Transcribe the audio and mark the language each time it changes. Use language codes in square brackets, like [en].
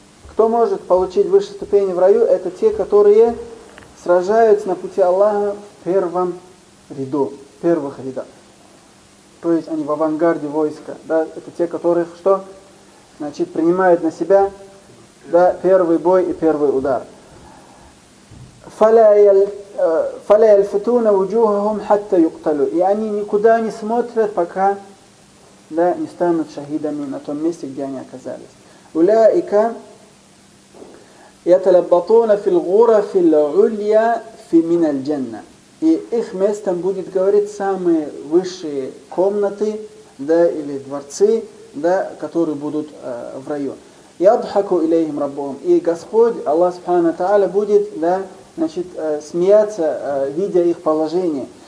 [ru] Кто может получить высшие ступени в раю, это те, которые сражаются на пути Аллаха в первом ряду, в первых рядах. То есть они в авангарде войска, да, это те, которых что? Значит, принимают на себя, да, первый бой и первый удар. [ar] فلا يلفتون وجوههم حتى يقتلوا. [ru] И они никуда не смотрят, пока, да, не станут шахидами на том месте, где они оказались. [ar] أولئك يتلبطون في الغرف العليا في من الجنة. [ru] И их местом будет, говорит, самые высшие комнаты, да, или дворцы, да, которые будут в раю. [ar] يضحكوا إليهم ربهم. [ru] И Господь, Аллах Субхана Тааля, будет, да, значит, смеяться, видя их положение.